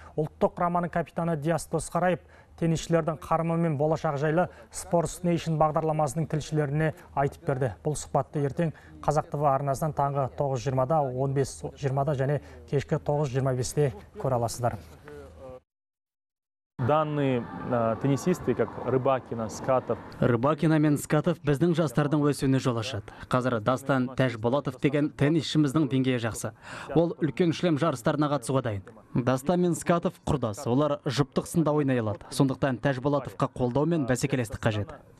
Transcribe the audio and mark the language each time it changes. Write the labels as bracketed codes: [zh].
[kk] Ұлттық құраманың капитаны Диас Досқараев теннисшілердің қарымы мен болашақ жайлы Sports Nation бағдарламасының тілшілеріне айтып берді. Бұл сұхбатты ертең Қазақ ТВ арнасынан таңғы 9:20-да, 15:20-да және кешкі 9:25-те көре аласыздар. [ru] Данные теннисисты, как Рыбакина, Скатов. [kk] Рыбакина мен Скатов біздің жастардың өсуіне жол ашады. Қазір Дастан Тәжболатов деген теннисшіміздің деңгейі жақсы. Ол үлкен шлем жарыстарына қатысуға дайын. Дастан мен Скатов құрдас, олар жұптық сында ойнай алады. Сондықтан Тәжболатовқа қолдау мен бәсекелестік қажет.